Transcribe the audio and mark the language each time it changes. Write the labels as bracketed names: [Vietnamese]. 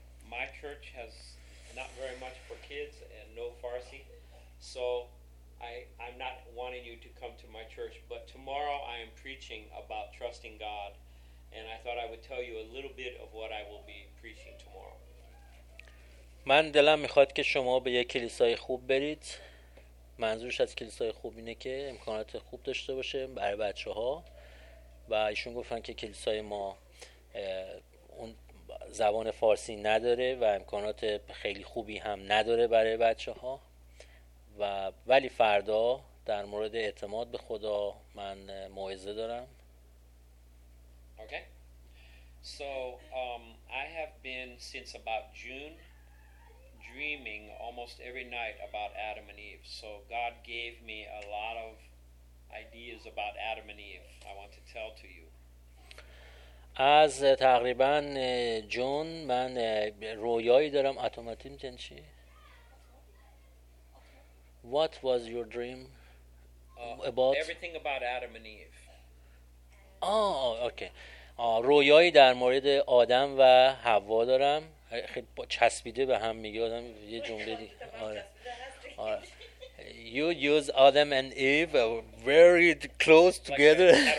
[English] My church has not very much for kids and no Farsi. So I'm not wanting you to come to my church, but tomorrow I am preaching about trusting God, and I thought I would tell you a little bit of what I will be preaching tomorrow. [Persian] من دلم میخواد که شما به یک کلیسای خوب برید. منظورش از کلیسای خوب اینه که امکانات خوب داشته باشه برای بچه‌ها. و ایشون گفتن که کلیسای ما اون زبان فارسی نداره و امکانات خیلی خوبی هم نداره برای بچه‌ها. و ولی فردا در مورد اعتماد به خدا من موعظه دارم. [English] Okay. So I have been since about June dreaming almost every night about Adam and Eve. So God gave me a lot of ideas about Adam and Eve. I want to tell to you. [Persian] از تقریبا جون من رویایی دارم. اتوماتیم چن چی؟ [English] What was your dream about? Everything about Adam and Eve. [Persian] آه اوکی. آه رویایی در مورد آدم و حوا دارم. خیلی چسبیده به هم میگه آدم یه جمله دی. آره. آره. [English] You use Adam and Eve very close together.